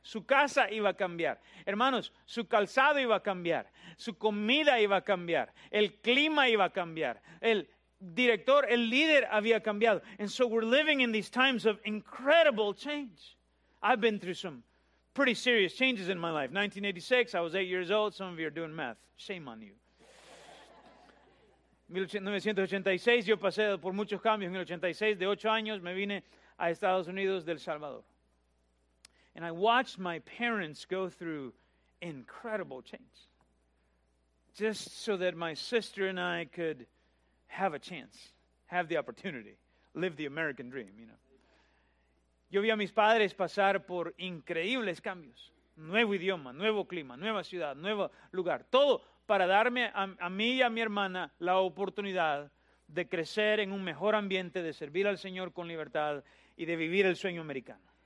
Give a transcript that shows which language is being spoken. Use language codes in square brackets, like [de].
[es] Su casa iba a cambiar. Hermanos, su calzado iba a cambiar. Su comida iba a cambiar. El clima iba a cambiar. El director, el líder había cambiado. [en] And so we're living in these times of incredible change. I've been through some pretty serious changes in my life. 1986, I was 8 years old. Some of you are doing math. Shame on you. [es] 1986, yo pasé por muchos cambios. En el 86, de 8 años, me vine a Estados Unidos del Salvador. [en] And I watched my parents go through incredible change. Just so that my sister and I could have a chance, have the opportunity, live the American dream, you know. [es] Yo vi a mis padres pasar por increíbles cambios. Nuevo idioma, nuevo clima, nueva ciudad, nuevo lugar. Todo para darme a mí y a mi hermana la oportunidad de crecer en un mejor ambiente, de servir al Señor con libertad y de vivir el sueño americano.